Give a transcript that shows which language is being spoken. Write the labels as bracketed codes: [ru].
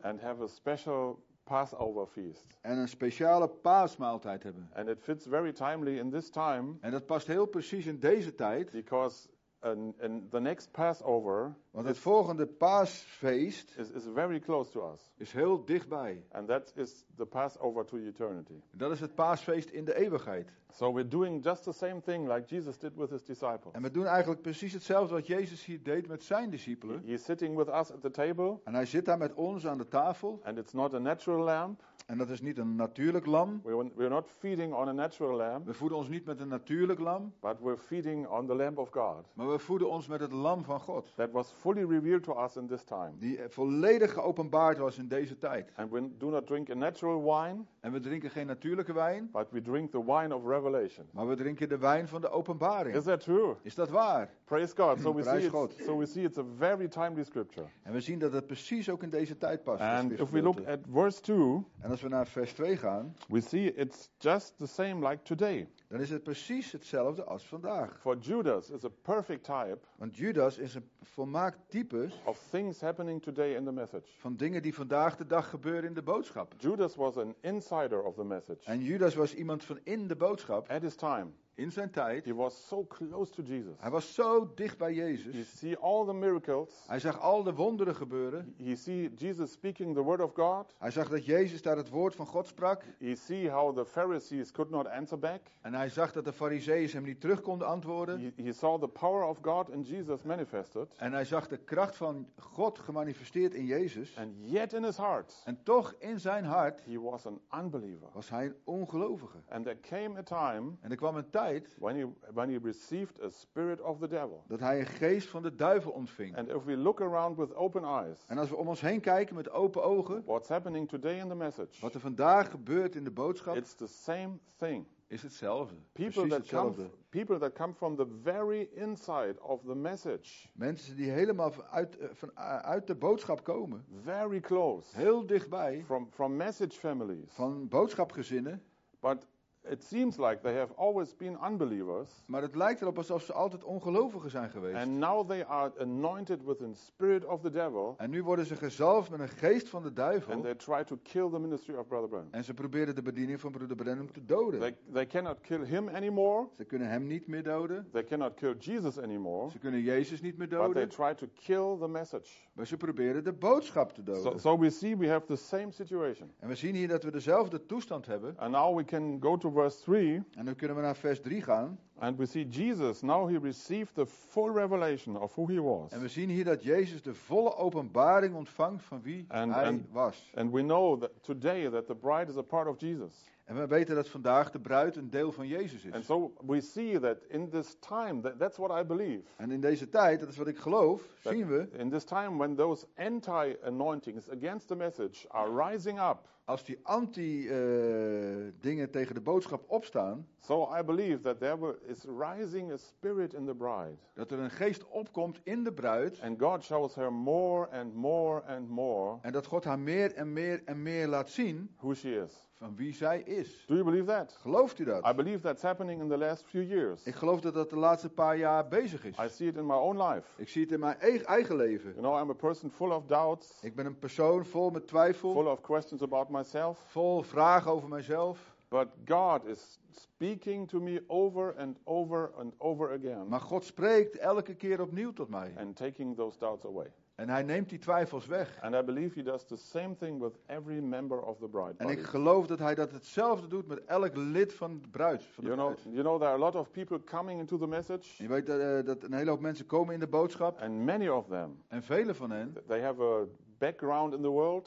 [en] And have a special Passover feast. [nl] En een speciale paasmaaltijd hebben. [en] And it fits very timely in this time. [nl] En dat past heel precies in deze tijd. [en] Because in the next Passover. [nl] Want het volgende paasfeest. [en] Is very close to us. [nl] Is heel dichtbij. [en] And that is the Passover to eternity. [nl] Dat is het paasfeest in de eeuwigheid. [en] So we're doing just the same thing like Jesus did with his disciples. [nl] En we doen eigenlijk precies hetzelfde wat Jezus hier deed met zijn discipelen. [en] He's sitting with us at the table. [nl] En hij zit daar met ons aan de tafel. [en] And it's not a natural lamb. [nl] En dat is niet een natuurlijk lam. [en] We're not feeding on a natural lamb. [nl] We voeden ons niet met een natuurlijk lam. [en] But we're feeding on the lamb of God. [nl] Maar we voeden ons met het lam van God. [en] That was fully revealed to us in this time. [nl] Die volledig geopenbaard was in deze tijd. [en] And we do not drink a natural wine. [nl] En we drinken geen natuurlijke wijn. [en] But we drink the wine of revelation. [nl] Maar we drinken de wijn van de openbaring. [en] Is that true? [nl] Is dat waar? [en] Praise God. So we see it. So we see it's a very timely scripture. [nl] En we zien dat het precies ook in deze tijd past. [en] And if we look at verse 2. [nl] En als we naar vers 2 gaan. [en] We see it's just the same like today. [nl] Dan is het precies hetzelfde als vandaag. [en] For Judas is a perfect type. [nl] Want Judas is een volmaakt type. [en] Of things happening today in the message. [nl] Van dingen die vandaag de dag gebeuren in de boodschap. [en] Judas was an insider of the message. [nl] En Judas was iemand van in de boodschap. [en] At his time. [nl] In zijn tijd. [en] He was so close to Jesus. [nl] Hij was zo dicht bij Jezus. [en] He see all the miracles. [nl] Hij zag al de wonderen gebeuren. [en] He see Jesus speaking the word of God. [nl] Hij zag dat Jezus daar het woord van God sprak. [en] He see how the Pharisees could not answer back. [nl] En hij zag dat de farizeeën hem niet terug konden antwoorden. [en] He saw the power of God in Jesus manifested. [nl] En hij zag de kracht van God gemanifesteerd in Jezus. [en] And yet in his heart. [nl] En toch in zijn hart. [en] He was an unbeliever. [nl] Was hij een ongelovige. [en] And there came a time. [nl] En er kwam een tijd. [en] When he received a spirit of the devil. [nl] Dat hij een geest van de duivel ontving. [en] And if we look around with open eyes. [nl] En als we om ons heen kijken met open ogen. [en] What's happening today in the message? [nl] Wat er vandaag gebeurt in de boodschap. [en] It's the same thing. [nl] Is hetzelfde. [en] People that come from the very inside of the message. [nl] Mensen die helemaal uit de boodschap komen. [en] Very close. [nl] Heel dichtbij. [en] From message families. [nl] Van boodschapgezinnen. [en] But it seems like they have always been unbelievers. [nl] Maar het lijkt erop alsof ze altijd ongelovigen zijn geweest. [en] And now they are anointed with the spirit of the devil. [nl] En nu worden ze gezalfd met een geest van de duivel. [en] And they try to kill the ministry of Brother Branham. [nl] En ze proberen de bediening van Broeder Branham te doden. [en] They cannot kill him anymore. [nl] Ze kunnen hem niet meer doden. [en] They cannot kill Jesus anymore. [nl] Ze kunnen Jezus niet meer doden. [en] But they try to kill the message. [nl] Maar ze proberen de boodschap te doden. [en] So we see we have the same situation. [nl] En we zien hier dat we dezelfde toestand hebben. [en] And now we can go to verse 3. [nl] En dan kunnen we naar vers 3 gaan. [en] And we see Jesus now he received the full revelation of who he was. [nl] En we zien hier dat Jezus de volle openbaring ontvangt van wie hij was. [en] And we know that today that the bride is a part of Jesus. [nl] En we weten dat vandaag de bruid een deel van Jezus is. [en] And so we see that in this time that's what I believe. [nl] En in deze tijd, dat is wat ik geloof, zien we [en] in this time when those anti anointings against the message are rising up. [nl] Als die anti dingen tegen de boodschap opstaan, [en] so I believe that there is rising a spirit in the bride. [nl] Dat er een geest opkomt in de bruid. [en] And God shows her more and more and more. [nl] En dat God haar meer en meer en meer laat zien [en] who she is. [nl] Van wie zij is. [en] Do you believe that? [nl] Gelooft u dat? [en] I believe that's happening in the last few years. [nl] Ik geloof dat dat de laatste paar jaar bezig is. [en] I see it in my own life. [nl] Ik zie het in mijn eigen leven. [en] You know, I'm a person full of doubts. [nl] Ik ben een persoon vol met twijfel. [en] Full of questions about myself. [nl] Vol vragen over mezelf. [en] But God is speaking to me over and over and over again. [nl] Maar God spreekt elke keer opnieuw tot mij. [en] And taking those doubts away. [nl] En hij neemt die twijfels weg. [en] And I believe he does the same thing with every member of the bride. [nl] En ik geloof dat hij dat hetzelfde doet met elk lid van de bruid. [en] You know there are a lot of people coming into the message. [nl] Je weet dat een hele hoop mensen komen in de boodschap. [en] And many of them. [nl] En vele van hen. [en] They have a background in the world.